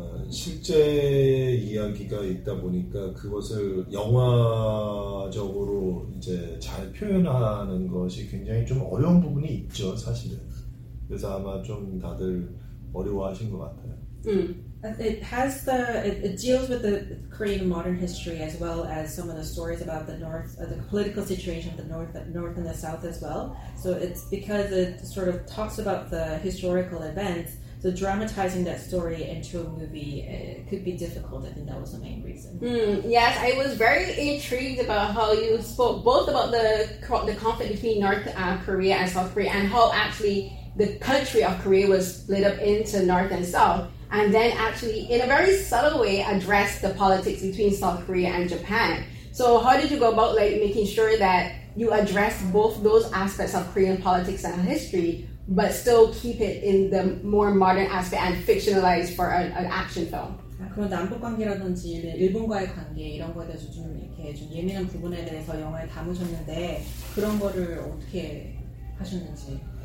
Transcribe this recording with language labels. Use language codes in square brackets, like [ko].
[ko] 실제 이야기가 있다 보니까 그것을 영화적으로 이제 잘 표현하는 것이 굉장히 좀 어려운 부분이 있죠 사실은 그래서 아마 좀 다들 어려워하신 것 같아요 [en] It has the it deals with the Korean modern history as well as some of the stories about the North, the political situation of the North and the South as well. So it's because it sort of talks about the historical events. So dramatizing that story into a movie could be difficult. I think that was the main reason. Yes, I was very intrigued about how you spoke both about the conflict between North Korea and South Korea and how actually the country of Korea was split up into North and South. And then actually, in a very subtle way, address the politics between South Korea and Japan. So how did you go about like making sure that you address both those aspects of Korean politics and history, but still keep it in the more modern aspect and fictionalized for an action film? [ko] 그런 남북 관계라든지 일본과의 관계 이런 거에 대해서 좀 이렇게 좀 예민한 부분에 대해서 영화에 담으셨는데 그런 거를 어떻게 하셨는지?